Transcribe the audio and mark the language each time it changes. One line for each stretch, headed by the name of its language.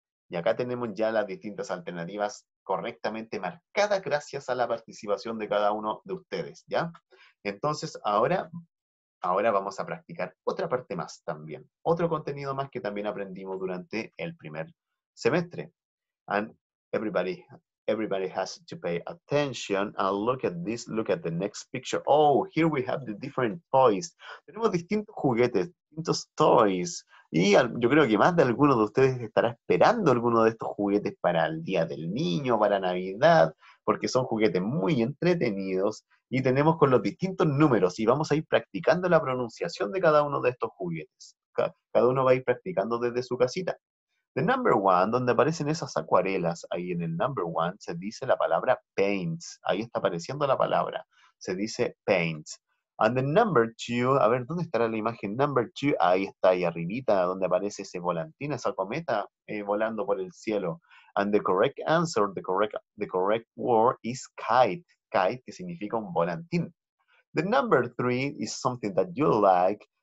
Spanish: Y acá tenemos ya las distintas alternativas correctamente marcadas gracias a la participación de cada uno de ustedes, ¿ya? Entonces, ahora vamos a practicar otra parte más también. Otro contenido más que también aprendimos durante el primer semestre.
English: And everybody has to pay attention and look at this, look at the next picture. Oh, here we have the different toys.
Spanish: Tenemos distintos juguetes, distintos toys. Y yo creo que más de alguno de ustedes estará esperando alguno de estos juguetes para el Día del Niño, para Navidad, porque son juguetes muy entretenidos y tenemos con los distintos números y vamos a ir practicando la pronunciación de cada uno de estos juguetes. Cada uno va a ir practicando desde su casita.
English: The number one,
Spanish: donde aparecen esas acuarelas, ahí en el number one se dice la palabra paints. Ahí está apareciendo la palabra. Se dice paints.
English: And the number two,
Spanish: a ver, ¿dónde estará la imagen? Number two, ahí está, ahí arribita, donde aparece ese volantín, esa cometa volando por el cielo.
English: And the correct answer, the correct word is kite. Kite,
Spanish: que significa un volantín.
English: The number three is something that you like.